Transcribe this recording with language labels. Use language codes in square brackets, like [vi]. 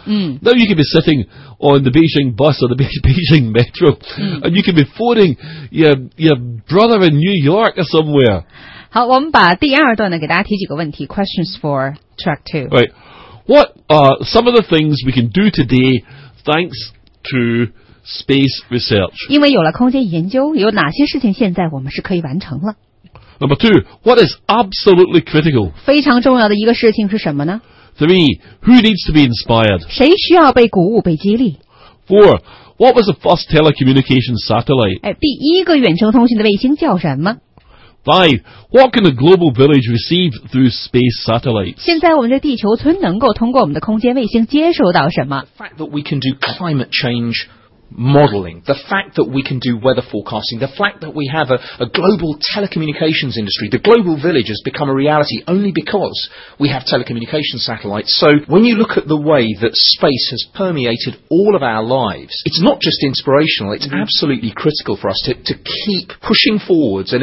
[en] Now you could be sitting on the Beijing bus or the Beijing metro, and you could be phoning your brother in New York or somewhere. [zh] 好，我们把第二段呢给大家提几个问题 ， [en] questions for track two. Right, what are some of the things we can do today, thanks to space research? [zh] 因为有了空间研究，有哪些事情现在我们是可以完成了 [en] ？Number two, what is absolutely critical? [zh] 非常重要的一个事情是什么呢 [en] ？Three, who needs to be inspired? [zh] 谁需要被鼓舞、被激励 [en] ？Four, what was the first telecommunication satellite? [zh] 哎，第一个远程通信的卫星叫什么？ [en] Five, what can a global village receive through space satellites? [zh] 现在我们的地球村能够通过我们的空间卫星接收到什么 [en] ？The fact that we can do climate change modeling, the fact that we can do weather forecasting, the fact that we have a global telecommunications industry, the global village has become a reality only because we have telecommunications satellites. So when you look at the way that space has permeated all of our lives, it's not just inspirational, it's absolutely critical for us to keep pushing forwards.